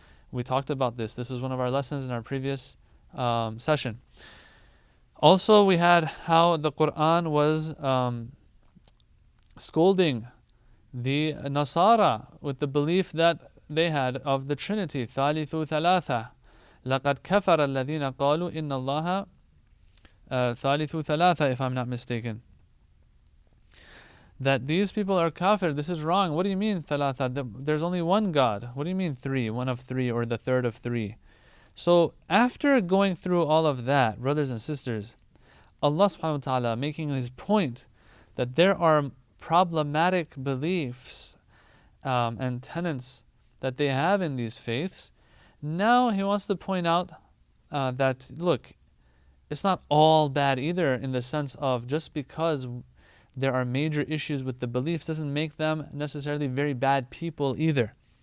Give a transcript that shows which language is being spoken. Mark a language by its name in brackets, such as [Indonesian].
[English] We talked about this. This was one of our lessons in our previous session. Also, we had how the Quran was scolding the Nasara with the belief that they had of the Trinity. [Arabic] ثالث ثلاثة لقد كفر الذين قالوا إن الله ثالث ثلاثة, [English] if I'm not mistaken. That these people are kafir, this is wrong. What do you mean, thalatha? There's only one God. What do you mean, three? One of three, or the third of three? So, after going through all of that, brothers and sisters, Allah subhanahu wa ta'ala making his point that there are problematic beliefs and tenets that they have in these faiths, now he wants to point out that, look, it's not all bad either, in the sense of just because there are major issues with the beliefs doesn't make them necessarily very bad people either.